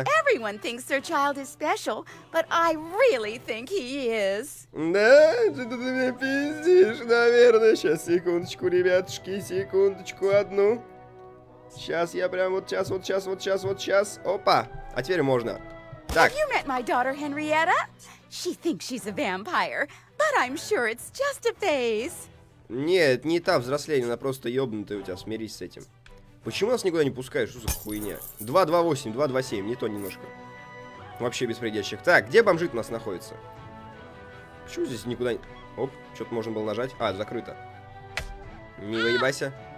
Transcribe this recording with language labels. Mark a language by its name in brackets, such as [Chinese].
[English] I know everyone thinks their child is special, but I really think he is. [Russian] Да, что ты мне пиздишь, наверное. Сейчас, секундочку, ребятушки, секундочку одну. Сейчас я прям вот сейчас, вот сейчас, вот сейчас, вот сейчас. Опа, а теперь можно. Так. [English] Have you met my daughter Henrietta? She thinks she's a vampire, but I'm sure it's just a phase. [Russian] Нет, не та взросление, она просто ёбнутая у тебя, смирись с этим. Почему нас никуда не пускают? Что за хуйня? 228, 227, не то немножко. Вообще беспредельщик. Так, где бомжит у нас находится? Почему здесь никуда не... Оп, что-то можно было нажать. А, закрыто. Не выебайся.